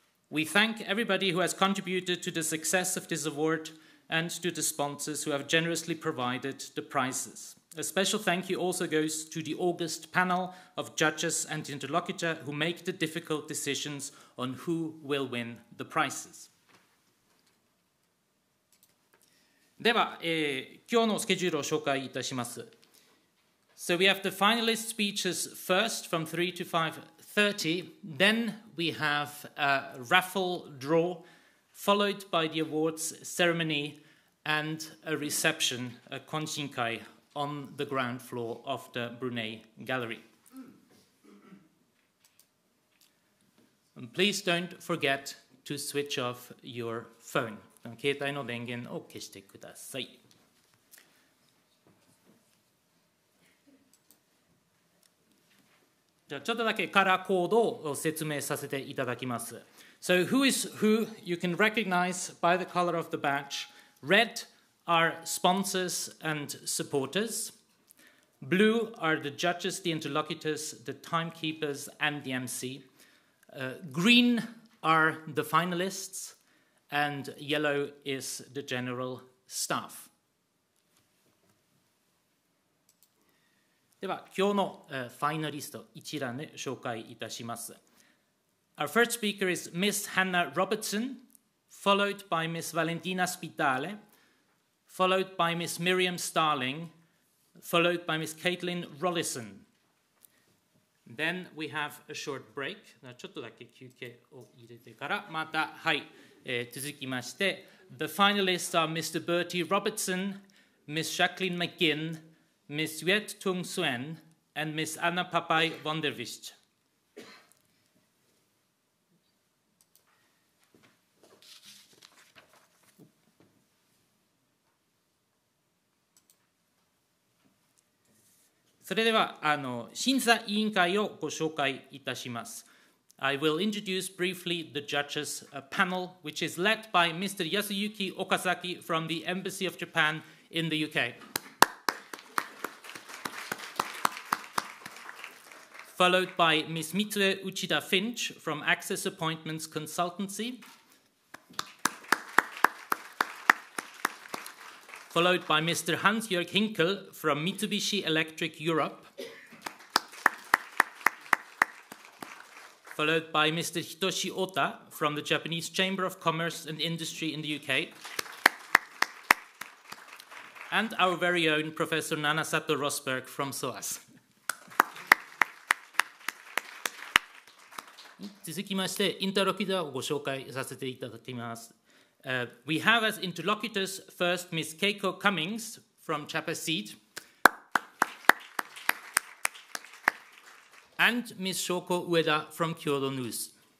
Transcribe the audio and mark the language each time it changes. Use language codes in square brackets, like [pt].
[en] We thank everybody who has contributed to the success of this awardand to the sponsors who have generously provided the prizes. A special thank you also goes to the August panel of judges and interlocutor who make the difficult decisions on who will win the prizes. [ja] では、今日のスケジュールを紹介いたします。 [en] So we have the finalist speeches first from 3 to 5:30. Then we have a raffle draw followed by the awards ceremony and a reception, a konshinkai, on the ground floor of the Brunei Gallery. And please don't forget to switch off your phone. [ja] 携帯の電源を消してください。じゃあちょっとだけカラーコードを説明させていただきます。 [en] So who is who? You can recognize by the color of the badge. Red are sponsors and supporters. Blue are the judges, the interlocutors, the timekeepers, and the MC. Green are the finalists, and yellow is the general staff. [ja] では今日のファイナリスト一覧で紹介いたします。 [en] Our first speaker is Miss Hannah Robertson, followed by Miss Valentina Spitale, followed by Miss Miriam Starling, followed by Miss Caitlin Rollison. Then we have a short break. [ja] ちょっとだけ休憩を入れてからまた、はい、続きまして。 [en] The finalists are Mr. Bertie Robertson, Miss Jacqueline McGinn, Miss Yuet Tung Suen, and Miss Anna Papai von der Wist. [ja] それでは審査委員会をご紹介いたします。 [en] I will introduce briefly the judges panel, which is led by Mr. Yasuyuki Okazaki from the Embassy of Japan in the UK. Followed by Ms. Mitsue Uchida Finch from Access Appointments Consultancy. Followed by Mr. Hans-Jörg Hinkel from Mitsubishi Electric Europe. Followed by Mr. Hitoshi Ota from the Japanese Chamber of Commerce and Industry in the UK. And our very own Professor Nana Sato Rosberg from SOAS. [ja] 続きまして、インタロキターをご紹介させていただきます。 [en] We have as interlocutors first Ms. Keiko Cummings from Chapa Seed. And Ms. Shoko Ueda from Kyodo News.